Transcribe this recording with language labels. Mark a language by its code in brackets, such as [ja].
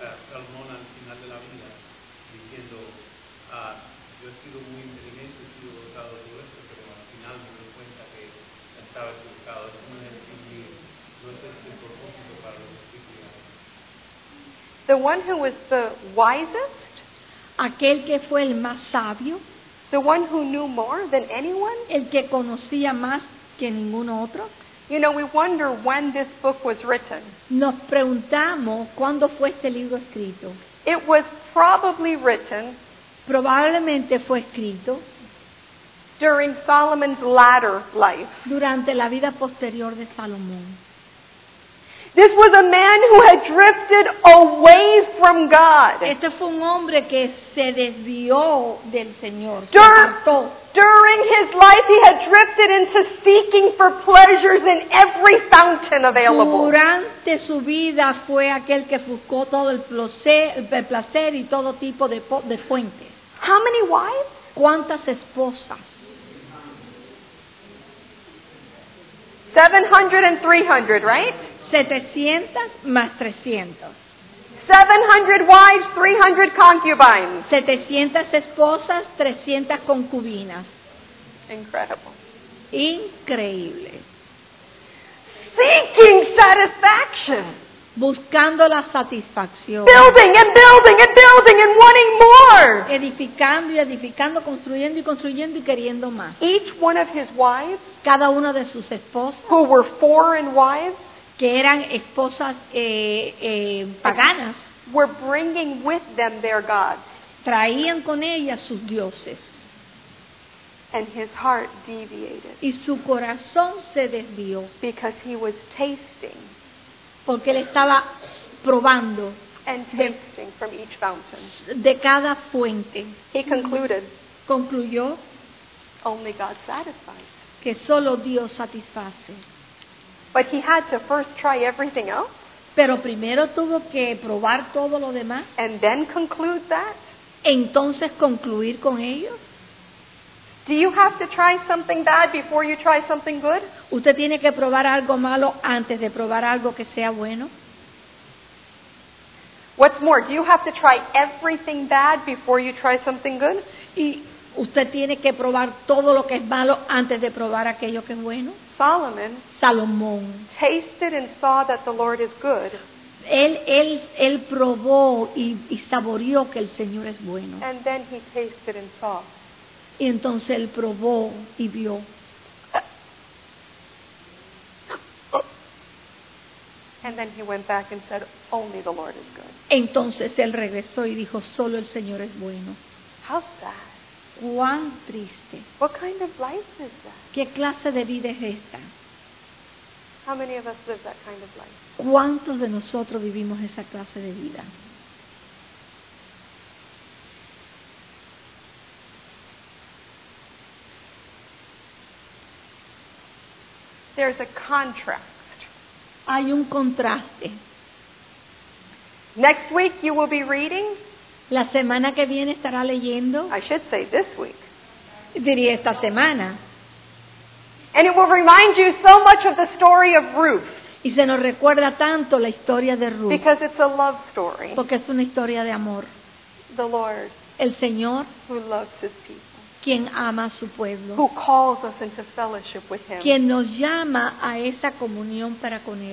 [es] Salmón al final de la vida, diciendo, yo he sido muy inteligente, he sido dotado de todo esto, pero al final me doy cuenta que estaba equivocado. Es como decir, no es el propósito para los espíritus. [en] The one who was the wisest, [es] aquel que fue el más sabio, [en] the one who knew more than anyone, [es] el que conocía más que ningún otro. [en] You know, we wonder when this book was written. [es] Nos preguntamos cuándo fue este libro escrito. [en] It was probably written. [es] Probablemente fue escrito. [en] During Solomon's latter life. [es] Durante la vida posterior de Salomón. [en] This was a man who had drifted away from God. [es] Este fue un hombre que se desvió del Señor. [en] During his life, he had drifted into seeking for pleasures in every fountain available. [es] Durante su vida fue aquel que buscó todo el placer y todo tipo de fuentes. [en] How many wives? [es] ¿Cuántas esposas? [en] 700 and 300, right? [es] 700 más 300. [en] 700 wives, 300 concubines. [es] 700 esposas, 300 concubinas. [en] Incredible. [es] Increíble. [en] Seeking satisfaction. [es] Buscando la satisfacción. [en] Building and building and building and wanting more. [es] Edificando y edificando, construyendo y construyendo y queriendo más. [en] Each one of his wives. [es] Cada una de sus esposas. [en] Who were foreign wives. [es] Que eran esposas paganas, [en] were bringing with them their gods. [es] Traían con ellas sus dioses. [en] And his heart deviated. [es] Y su corazón se desvió. [en] Because he was tasting. [es] Porque él estaba probando. [en] And tasting from each fountain. [es] De cada fuente. [en] He concluded. [es] Concluyó. [en] Only God satisfies. [es] Que solo Dios satisface. [en] But he had to first try everything else. [es] Pero primero tuvo que probar todo lo demás. [en] And then conclude that. [es] Entonces concluir con ello. [en] Do you have to try something bad before you try something good? [es] Usted tiene que probar algo malo antes de probar algo que sea bueno. [en] What's more, do you have to try everything bad before you try something good? [es] Y usted tiene que probar todo lo que es malo antes de probar aquello que es bueno. [en] Salomón tasted and saw that the Lord is good. [es] Él probó y saboreó que el Señor es bueno. [en] And then he tasted and saw. [es] Y entonces él probó y vio. [en] And then he went back and said, only the Lord is good. [es] Entonces él regresó y dijo, solo el Señor es bueno. [en] How sad. [es] ¿Cuán triste? [en] What kind of life is that? [es] ¿Qué clase de vida es esta? [en] How many of us live that kind of life? [es] ¿Cuántos de nosotros vivimos esa clase de vida? [en] There's a contrast. [es] Hay un contraste. [en] Next week you will be reading. [es] La semana que viene estará leyendo. [en] I should say this week. [es] Diría esta semana. [en] And it will remind you so much of the story of Ruth. [es] Y se nos recuerda tanto la historia de Ruth. [en] Because it's a love story. [es] Porque es una historia de amor. [en] The Lord. [es] El Señor. [en] Who loves his people. [es] Quien ama a su pueblo. [en] Who calls us into fellowship with him. [es] Quien nos llama a esa comunión para con él.